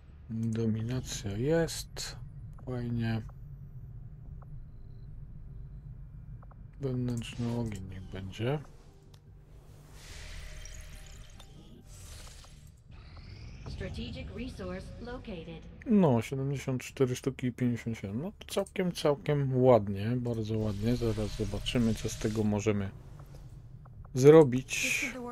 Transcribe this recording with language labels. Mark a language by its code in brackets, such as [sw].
[pl] Dominacja jest. Fajnie. Wewnętrzny ogień niech będzie. [en] Strategic resource located. [pl] No, 74 sztuki i 57. No, całkiem ładnie, bardzo ładnie. Zaraz zobaczymy, co z tego możemy zrobić.